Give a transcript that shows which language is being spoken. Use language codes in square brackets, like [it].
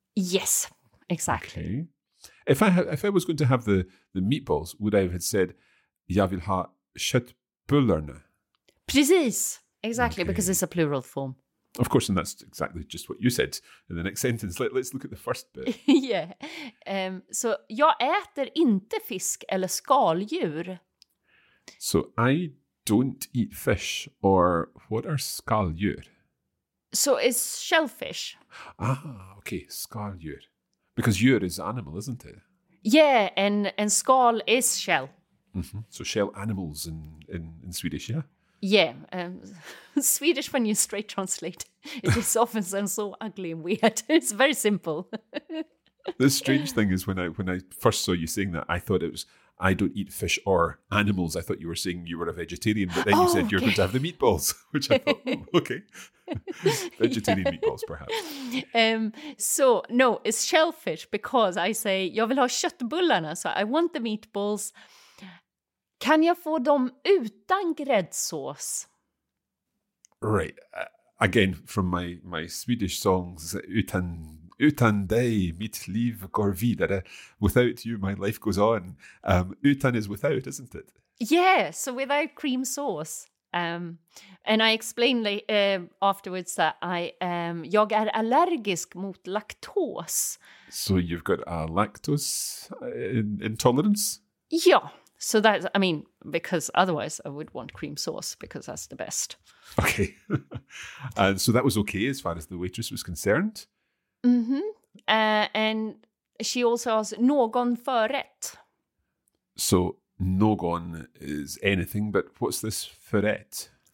[en] Yes, exactly. Okay. If I was going to have the meatballs, would I have said [sv] jag vill ha köttbullarna? [en] Precis, exactly, okay. Because it's a plural form. Of course, and that's exactly just what you said in the next sentence. Let's look at the first bit. Yeah. [sv] So, jag äter inte fisk eller skaldjur. [en] So, I don't eat fish, or what are skaldjur? So, it's shellfish. Ah, okay, skaldjur. Because djur is animal, isn't it? Yeah, and skal is shell. Mm-hmm. So, shell animals in Swedish, yeah? Yeah, Swedish when you straight translate, it just often sounds so ugly and weird. It's very simple. The strange thing is when I first saw you saying that, I thought it was, I don't eat fish or animals. I thought you were saying you were a vegetarian, but then you said you're going to have the meatballs, which I thought, okay. Vegetarian meatballs, perhaps. So, no, it's shellfish because I say, [sv] jag vill ha köttbullarna, [en] so I want the meatballs. [sv] Kan jag få dem utan gräddsås? [en] Right. Again, from my Swedish songs, [sv] utan dig, mitt liv går vidare. [en] Without you, my life goes on. Utan is without, isn't it? Yeah, so without cream sauce. And I explained afterwards that [sv] jag är allergisk mot laktos. [en] So you've got a lactose intolerance? Yeah. So that, I mean, because otherwise I would want cream sauce because that's the best. Okay. And so that was okay as far as the waitress was concerned. Mm-hmm. And she also asked, [sv] någon förrätt? [en] So någon is anything, but what's this förrätt?